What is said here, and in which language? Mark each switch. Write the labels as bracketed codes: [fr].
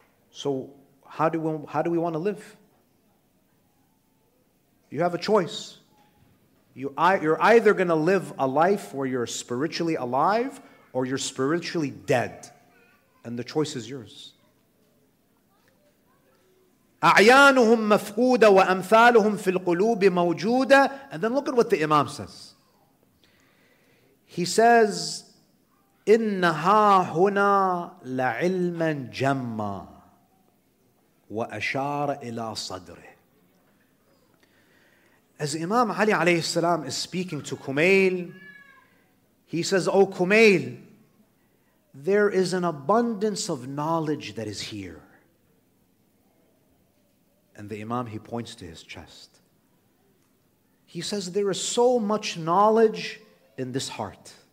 [en] So how do we want to live? You have a choice. You're either going to live a life where you're spiritually alive or you're spiritually dead. And the choice is yours. [ar] أعيانهم مفقودة وأمثالهم في القلوب موجودة. [en] And then look at what the Imam says. He says, [ar] إِنَّهَا هُنَا لَعِلْمًا جَمَّا وَأَشَارَ إِلَى صَدْرِهِ. [en] As Imam Ali [ar] عليه السلام [en] is speaking to Kumail, he says, O Kumail, there is an abundance of knowledge that is here. And the Imam, he points to his chest. He says, there is so much knowledge in this heart.